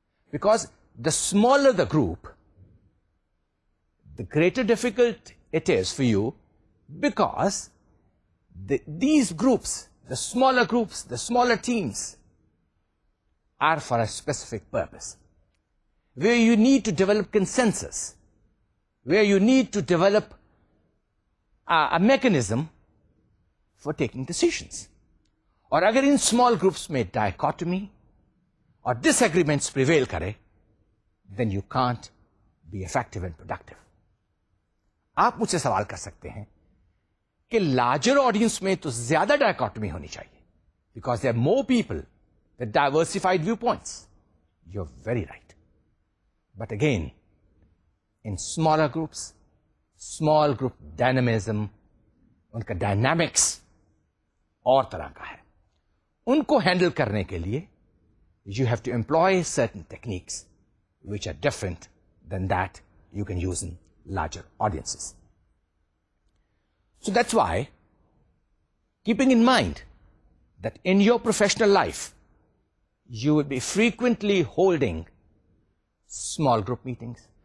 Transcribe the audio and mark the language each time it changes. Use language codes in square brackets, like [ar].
[en] Because the smaller the group, the greater difficult it is for you because these groups, the smaller groups, the smaller teams are for a specific purpose where you need to develop consensus, where you need to develop a mechanism for taking decisions. [ur] Aur agar [en] in small groups [ur] mein [en] dichotomy or disagreements prevail [ur] kare, [en] then you can't be effective and productive. [ur] آپ مجھ سے سوال کر سکتے ہیں کہ [en] larger audience [ur] میں تو زیادہ [en] dichotomy [ur] ہونی چاہیے [en] because there more people with diversified view points you are very right but again in smaller groups small group dynamism [ur] ان کا [en] dynamics [ur] اور طرح کا ہے ان کو [en] handle [ur] کرنے کے لیے [en] You have to employ certain techniques which are different than that you can use in larger audiences. So that's why, keeping in mind that in your professional life, you will be frequently holding small group meetings.